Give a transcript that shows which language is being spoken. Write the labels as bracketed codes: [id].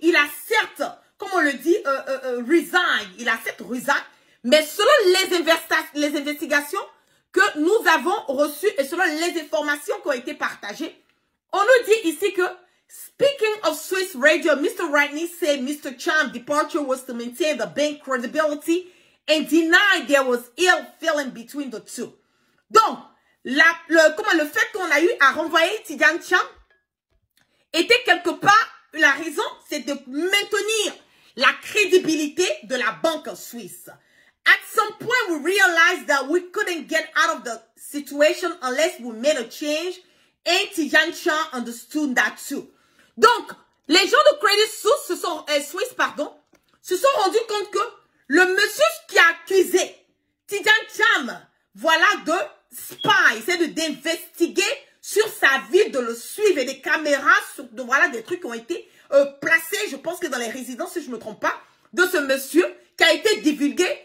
[fr] Il a certes, comme on le dit, resign. Il a certes resign. Mais selon les investigations que nous avons reçues et selon les informations qui ont été partagées, on nous dit ici que [en] speaking of Swiss radio, Mr. Ratney said Mr. Chang's departure was to maintain the bank credibility and denied there was ill feeling between the two. [fr] Donc, le fait qu'on a eu à renvoyer Tidiane Chang était quelque part, la raison, c'est de maintenir la crédibilité de la banque suisse. [en] At some point, we realized that we couldn't get out of the situation unless we made a change. Et Tidiane Chang understood that too. [fr] Donc, les gens de Credit Suisse, se sont rendus compte que le monsieur qui a accusé Tidiane Chang, voilà, de spy, c'est d'investiguer sur sa vie, de le suivre, et des caméras, voilà, des trucs qui ont été placés, je pense que dans les résidences, si je ne me trompe pas, de ce monsieur qui a été divulgué.